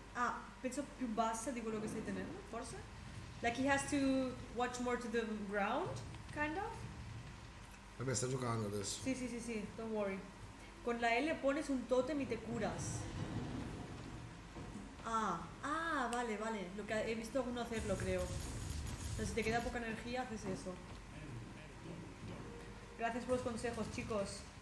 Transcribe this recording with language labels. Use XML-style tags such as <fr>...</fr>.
<it>Ah, penso più bassa di quello che stai tenendo, forse?</it> <en>Like he has to watch more to the ground? Kind of.</en> <it>Vabbè, sta giocando adesso. Sì, sì, sì, sì,</it> <en>don't worry.</en> <es>Con la L pones un totem y te curas. Ah, vale, vale. Lo que he visto alguno hacerlo, creo. Entonces, si te queda poca energía, haces eso. Gracias por los consejos, chicos.</es>